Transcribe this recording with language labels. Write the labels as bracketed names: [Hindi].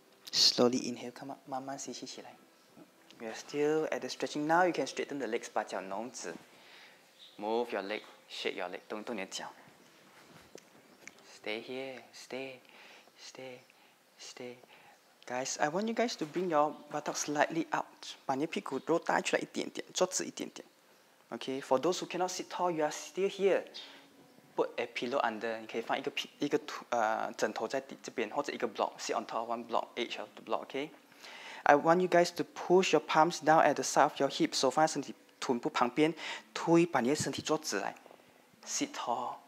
[English] Slowly inhale, come up, [Chinese] 慢慢吸气起来. [English] You are still at the stretching. Now you can straighten the legs, [Chinese] 把脚弄直. [English] Move your leg, shake your leg, [Chinese] 动动你的脚. [English] Stay here, stay, stay, stay. Guys, I want you guys to bring your buttocks slightly out. [Chinese] 把你的屁股肉带出来一点点, 坐直一点点. [English] Okay, for those who cannot sit tall, you are still here. Put a pillow under, [Chinese] 你可以放一个 枕头在这边, 或者一个 [English] block, sit on top of one block, edge of the block, okay? I want you guys to push your palms down at the side of your hips, [Chinese] 手放在身体臀部旁边, 推把你的身体坐直来, [English] sit tall.